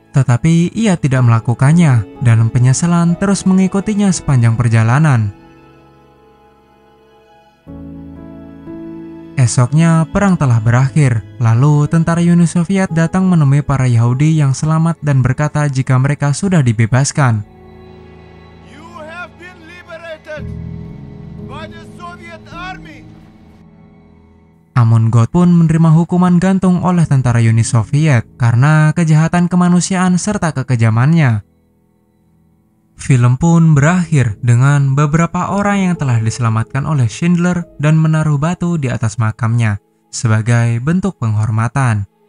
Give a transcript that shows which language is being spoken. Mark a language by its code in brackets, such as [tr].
[id] Tetapi ia tidak melakukannya, dan penyesalan terus mengikutinya sepanjang perjalanan. Esoknya, perang telah berakhir. Lalu, tentara Uni Soviet datang menemui para Yahudi yang selamat dan berkata jika mereka sudah dibebaskan. [en] You have been liberated by the Soviet Army. [id] Amon Gott pun menerima hukuman gantung oleh tentara Uni Soviet karena kejahatan kemanusiaan serta kekejamannya. Film pun berakhir dengan beberapa orang yang telah diselamatkan oleh Schindler dan menaruh batu di atas makamnya sebagai bentuk penghormatan.